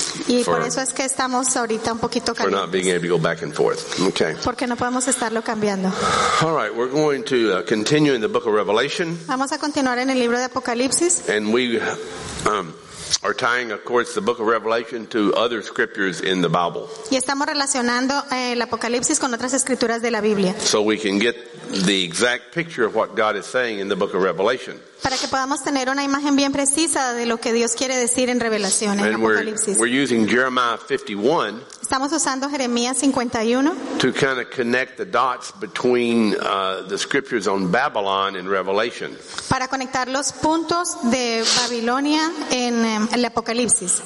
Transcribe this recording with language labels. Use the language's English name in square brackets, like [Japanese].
[Spanish] Y por eso es que estamos ahorita un poquito calientes. [English] For not being able to go back and forth. Okay. [Spanish] Porque no podemos estarlo cambiando. [English] All right, we're going to continue in the book of Revelation. [Spanish] Vamos a continuar en el libro de Apocalipsis. [English] And we are tying, of course, the book of Revelation to other scriptures in the Bible. [Spanish] Y estamos relacionando el Apocalipsis con otras escrituras de la Biblia. [English] So we can get the exact picture of what God is saying in the book of Revelation. [Spanish] Para que podamos tener una imagen bien precisa de lo que Dios quiere decir en Revelación, en Apocalipsis. [English] We're using Jeremiah 51. [Spanish] Estamos usando Jeremías 51. [English] To kind of connect the dots between the scriptures on Babylon and Revelation. [Spanish] Para conectar los puntos de Babilonia en el Apocalipsis.